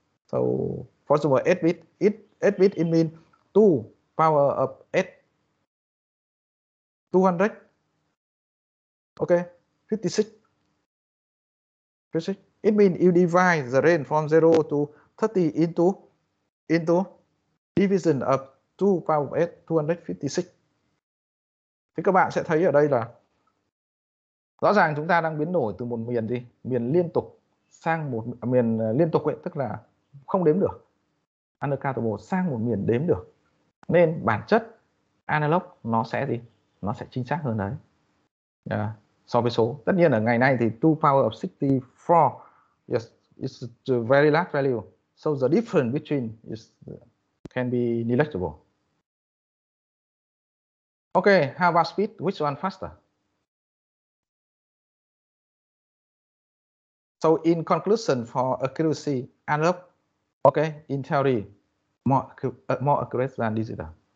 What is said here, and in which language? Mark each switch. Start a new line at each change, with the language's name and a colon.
English: So first of all, 8-bit, 8-bit it means 2 power of 8, 200. Ok, 56. It means you divide the range from 0 to 30 into division of 2 power of 8, 256.
Vietnamese: Thì các bạn sẽ thấy ở đây là rõ ràng chúng ta đang biến đổi từ một miền gì? Miền liên tục sang một miền liên tục ấy, tức là không đếm được. Undercountable sang một miền đếm được. Nên bản chất analog nó sẽ gì? Nó sẽ chính xác hơn đấy. So với số. Tất nhiên ở ngày nay thì
English: 2 power of 64 yes, it's a very large value. So the difference between is can be negligible. Ok, how about speed? Which one faster? So in conclusion for accuracy, analog, ok, in theory, more accurate than digital.